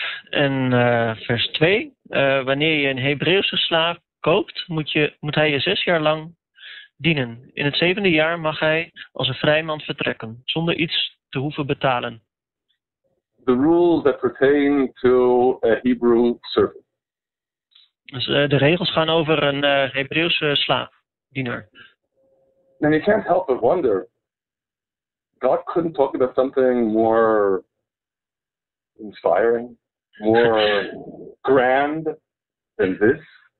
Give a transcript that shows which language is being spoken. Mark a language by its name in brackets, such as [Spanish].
[Dutch] En vers 2, wanneer je een Hebreeuwse slaaf koopt, moet hij je 6 jaar lang dienen. In het zevende jaar mag hij als een vrijman vertrekken, zonder iets te hoeven betalen. [English] The rules that pertain to a Hebrew servant. [Dutch] Dus de regels gaan over een Hebreeuwse slaaf, diener. [English] And you can't help but wonder, God couldn't talk about something more inspiring, more grand than this.